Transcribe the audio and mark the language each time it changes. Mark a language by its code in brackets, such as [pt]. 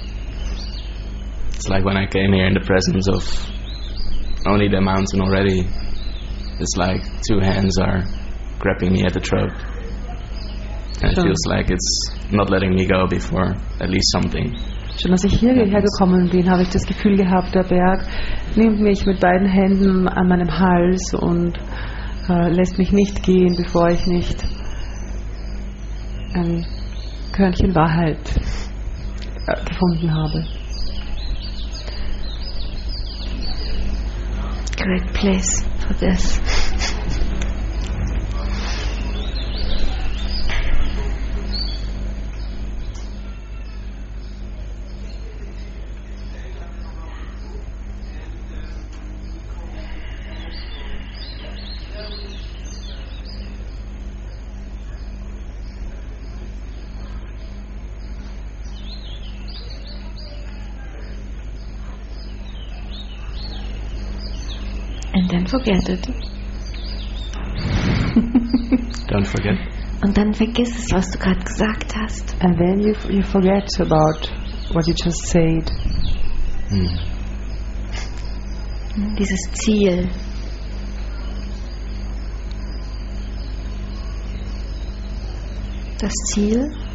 [en] It's like when I came here in the presence of only the mountain already, it's like two hands are grabbing me at the throat. And it feels like it's not letting me go before at least something. [de] Schon als ich hierher gekommen bin, habe ich das Gefühl gehabt, der Berg nimmt mich mit beiden Händen an meinem Hals und lässt mich nicht gehen, bevor ich nicht ein Körnchen Wahrheit gefunden habe. [en] Great place for this. Forget it. Don't forget. [de] Und dann vergiss es, was du gerade gesagt hast. [en] And then you forget about what you just said. [de] Dieses Ziel. Das Ziel.